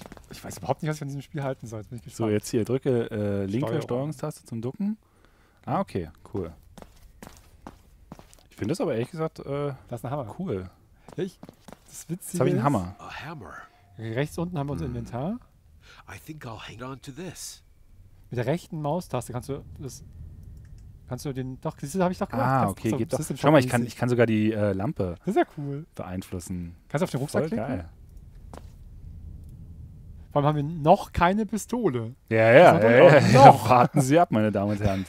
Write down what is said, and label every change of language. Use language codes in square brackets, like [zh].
[de] Ich weiß überhaupt nicht, was ich an diesem Spiel halten soll. Bin ich so, jetzt hier. Drücke linke Steuerungstaste zum Ducken. Ah, okay. Cool. Ich finde das aber ehrlich gesagt das ist ein Hammer. Cool. Ja, ich, das Witzige jetzt habe ich einen Hammer. [en] A hammer. [de] Rechts unten haben wir unser Inventar. [en] I think I'll hang on to this. [de] Mit der rechten Maustaste kannst du das. Kannst du den. Doch, das habe ich doch gemacht. Ah, kannst, okay, geht doch. Schau mal, ich kann sogar die Lampe beeinflussen. Kannst du auf den Rucksack voll klicken? Geil. Vor allem haben wir noch keine Pistole. Ja, warten Sie ab, meine Damen und Herren.